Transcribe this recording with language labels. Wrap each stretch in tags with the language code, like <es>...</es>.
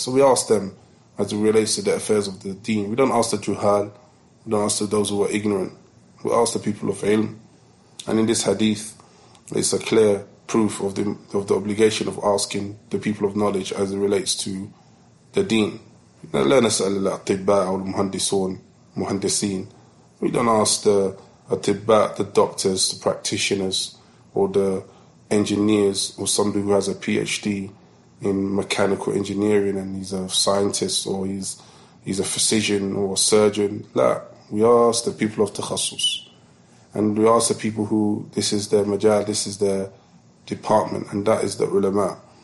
<en>So we ask them as it relates to the affairs of the deen. We don't ask the juhal, we don't ask the those who are ignorant, we ask the people of ilm. And in this hadith, it's a clear proof of the obligation of asking the people of knowledge as it relates to the deen.</en> <ar>لا نسأل الأطباء والمهندسون. Muhandiseen.</ar> <en>We don't ask the atibba, the doctors, the practitioners, or the engineers, or somebody who has a PhD in mechanical engineering and he's a scientist, or he's a physician or a surgeon. La, we ask the people of takhassus, and we ask the people who, this is their majal, this is their department, and that is the ulama.</en>